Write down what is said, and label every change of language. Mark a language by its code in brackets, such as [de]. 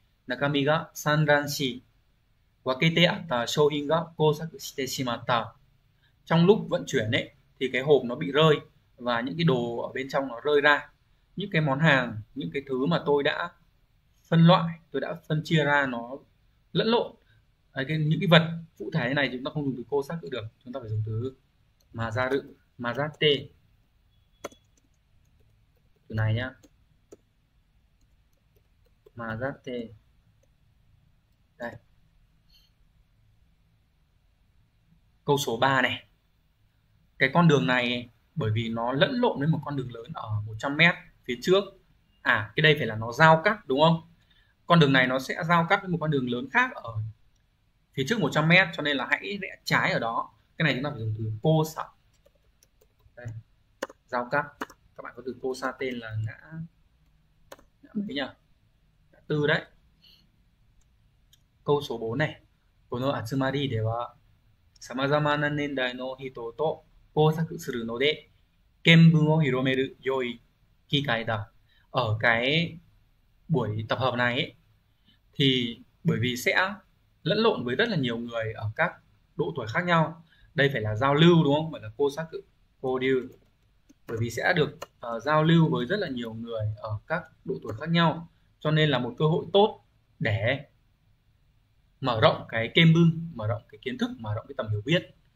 [ja] 中身が散乱し、分けてあった商品が交錯してしまった。 [vi] trong lúc vận chuyển ấy thì cái hộp nó bị rơi và những cái đồ ở bên trong nó rơi ra. Những cái món hàng, những cái thứ mà tôi đã phân loại, tôi đã phân chia ra nó lẫn lộn. Những cái vật cụ thể này chúng ta không dùng từ cô xác được, chúng ta phải dùng từ mà ra rự, mà ra tê từ này nhá, mà ra tê đây. Câu số 3 này, cái con đường này bởi vì nó lẫn lộn với một con đường lớn ở 100 mét phía trước, à cái đây phải là nó giao cắt đúng không, con đường này nó sẽ giao cắt với một con đường lớn khác ở phía trước 100 mét, cho nên là hãy rẽ trái ở đó. Cái này chúng ta phải dùng từ cô sa, đây, giao cắt. Các bạn có từ cô sa tên là ngã ngã mấy nhỉ, ngã tư đấy. Câu số 4 này, [ja] この集まりでは様々な年代の人と交錯するので、見聞を広める良い機会だ。 [vi] Ở cái buổi tập hợp này ấy, thì bởi vì sẽ lẫn lộn với rất là nhiều người ở các độ tuổi khác nhau, đây phải là giao lưu đúng không, phải là cô xác cự cô điều, bởi vì sẽ được giao lưu với rất là nhiều người ở các độ tuổi khác nhau, cho nên là một cơ hội tốt để mở rộng cái kênh bưng, mở rộng cái kiến thức, mở rộng cái tầm hiểu biết.